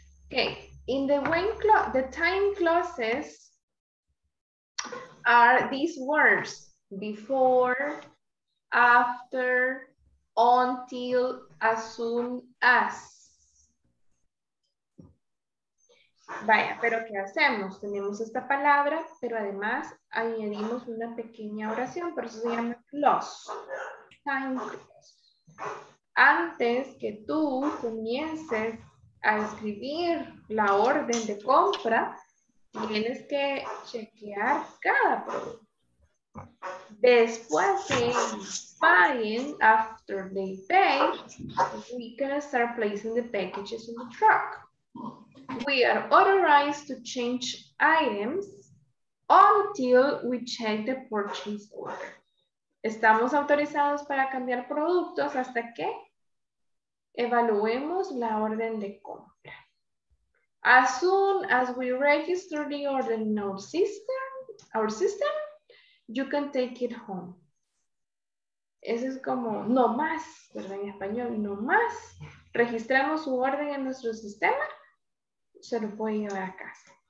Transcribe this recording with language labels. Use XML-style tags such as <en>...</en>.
<en>Okay, in the when clause, the time clauses are these words: before, after, until, as soon as.</en> <es>Vaya, pero ¿qué hacemos? Tenemos esta palabra, pero además añadimos una pequeña oración, por eso se llama clause.</es> <en>Time clause.</en> <es>Antes que tú comiences a escribir la orden de compra, tienes que chequear cada producto. Después de</es> <en>buying, after they pay, we can start placing the packages in the truck. We are authorized to change items until we check the purchase order.</en> <es>Estamos autorizados para cambiar productos hasta que evaluemos la orden de compra.</es> <en>As soon as we register the order in our system, you can take it home.</en> <es>Eso es como no más, ¿verdad? En español, no más. Registramos su orden en nuestro sistema, se lo puede llevar a casa.</es>